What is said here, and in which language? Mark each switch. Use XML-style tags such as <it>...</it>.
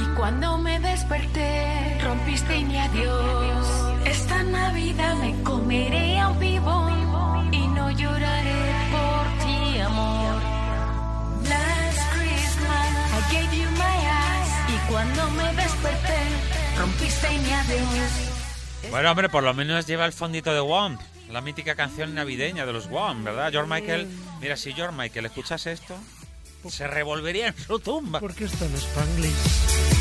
<es>Cuando me desperté, rompiste mi adiós. Esta Navidad me comeré a un vivo y no lloraré por ti, amor.</es> <en>Last Christmas, I gave you my eyes.</en> <es>Y cuando me desperté, rompiste mi adiós. Bueno, hombre, por lo menos lleva el fondito de Womp, la mítica canción navideña de los Womp, ¿verdad? George Michael, mira, si George Michael escuchase esto, se revolvería en su tumba. ¿Por qué está en Spanglish?</es>